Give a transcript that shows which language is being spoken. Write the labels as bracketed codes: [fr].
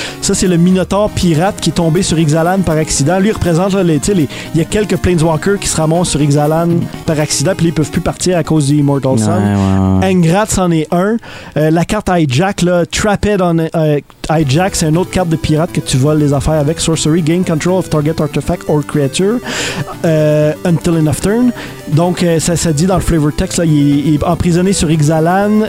[fr] Ça, c'est le Minotaur pirate qui est tombé sur Ixalan par accident. Lui, il représente, il y a quelques Planeswalkers qui se ramontent sur Ixalan par accident, puis ils peuvent plus partir à cause du Immortal Sun. Engrat, c'en est un. La carte Hijack, là, Trapped on Hijack, c'est une autre carte de pirate que tu voles les affaires avec. [en] Sorcery, gain control of target artifact or creature until enough turn. [fr] Donc, ça dit dans le flavor text, là, il est emprisonné sur Ixalan.